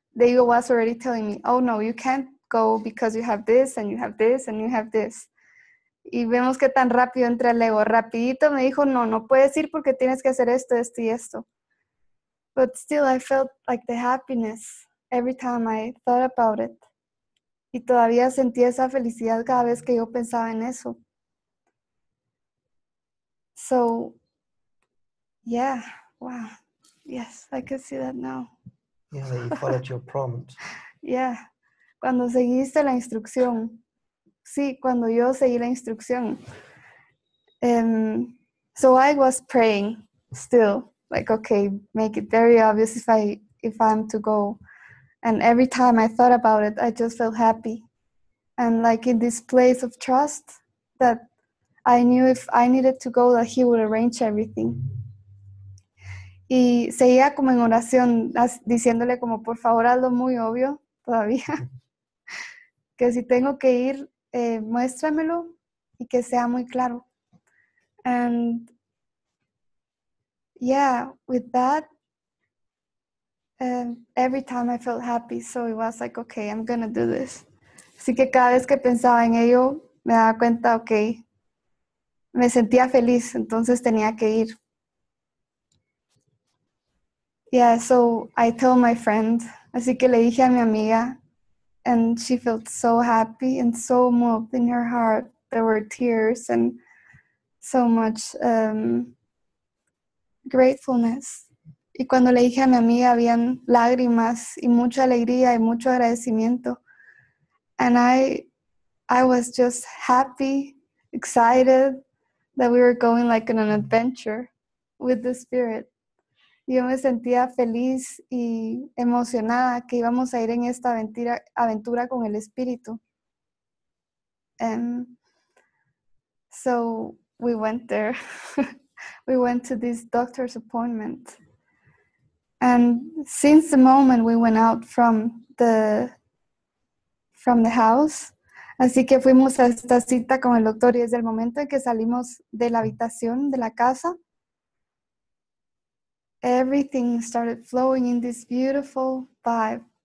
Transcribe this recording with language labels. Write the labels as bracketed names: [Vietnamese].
[English] The ego was already telling me, oh no, you can't go because you have this and you have this and you have this. [Spanish] Y vemos que tan rápido entra el ego. Rapidito me dijo, no puedes ir porque tienes que hacer esto, esto y esto. [English] But still I felt like the happiness every time I thought about it. [Spanish] Y todavía sentí esa felicidad cada vez que yo pensaba en eso. [English] So, yeah, wow. Yes, I can see that now. Yeah, that you followed your prompt. Yeah. [Spanish] Cuando seguiste la instrucción, sí, cuando yo seguí la instrucción. [English] So I was praying still, like, okay, make it very obvious if I'm to go. And every time I thought about it, I just felt happy. And like in this place of trust that I knew if I needed to go, that he would arrange everything. [Spanish] Y seguía como en oración, diciéndole como, por favor, hazlo muy obvio todavía. Que si tengo que ir, muéstramelo y que sea muy claro. [English] And yeah, with that, every time I felt happy, so it was like, okay, I'm gonna do this. [Spanish] Así que cada vez que pensaba en ello, me daba cuenta, okay, me sentía feliz, entonces tenía que ir. [English] Yeah, so I told my friend, [Spanish] así que le dije a mi amiga, [English] and she felt so happy and so moved in her heart. There were tears and so much gratefulness. [Spanish] Y cuando le dije a mi amiga, habían lágrimas y mucha alegría y mucho agradecimiento. [English] And I was just happy, excited that we were going like on an adventure with the spirit. [Spanish] Yo me sentía feliz y emocionada que íbamos a ir en esta aventura con el espíritu. [English] And so we went there. We went to this doctor's appointment. And since the moment we went out from the house, [Spanish] así que fuimos a esta cita con el doctor y desde el momento en que salimos de la habitación, de la casa, [English] everything started flowing in this beautiful vibe.